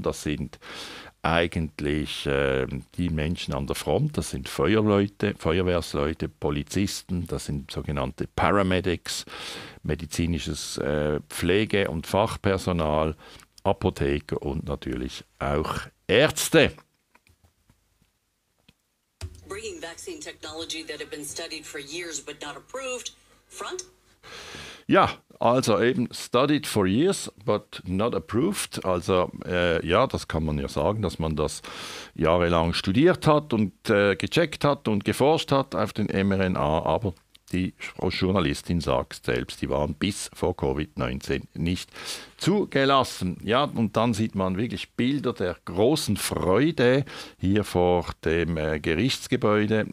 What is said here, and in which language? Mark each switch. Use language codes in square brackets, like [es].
[de] Das sind eigentlich die Menschen an der Front, das sind Feuerleute, Feuerwehrsleute, Polizisten, das sind sogenannte Paramedics, medizinisches Pflege- und Fachpersonal, Apotheker und natürlich auch Ärzte. [en] vaccine technology that had been studied for years but not approved. [de] Front? Ja, also eben [en] studied for years but not approved. [de] Also ja, das kann man ja sagen, dass man das jahrelang studiert hat und gecheckt hat und geforscht hat auf den mRNA, aber die Journalistin sagt selbst, die waren bis vor Covid-19 nicht zugelassen. Ja, und dann sieht man wirklich Bilder der großen Freude hier vor dem Gerichtsgebäude.